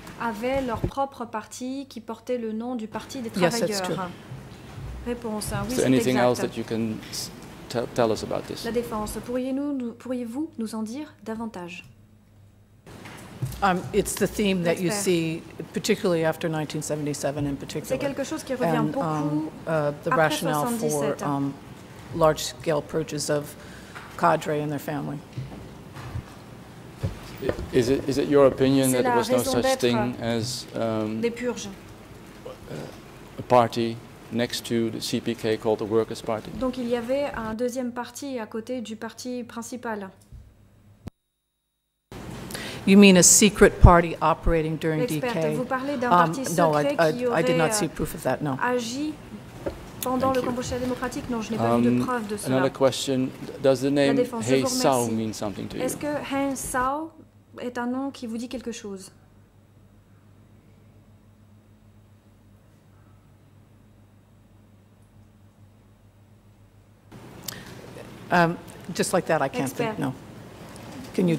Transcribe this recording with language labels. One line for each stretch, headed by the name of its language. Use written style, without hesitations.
French: Avait leur propre parti qui portait le nom du Parti des
English: Travailleurs. Yes, that's true.
French: Réponse.
English: Is
French: oui,
English: there anything
French: exact.
English: Else that you can tell us about this?
French: La défense. Pourriez-vous nous en dire davantage?
English: It's the theme that you see, particularly after 1977, in particular.
French: C'est quelque chose qui revient beaucoup après 1977.
English: The rationale for large-scale purges of cadre and their family. Is it your opinion that there was no such thing as a party next to the CPK called the Workers' Party?
French: Donc il y avait un deuxième parti à côté du parti principal.
English: You mean a secret party operating during DK?
French: L'expert, vous parlez d'un parti secret qui aurait agi.
English: No, I did not see proof of that. No.
French: Pendant le Kampuchea démocratique, non, je n'ai pas vu de preuve de cela.
English: Another question, does the name Hay Sao mean something to you?
French: Est-ce que Hay Sao est un nom qui vous dit quelque chose?
English: Just like that, I can't Expert. Think, no. Can you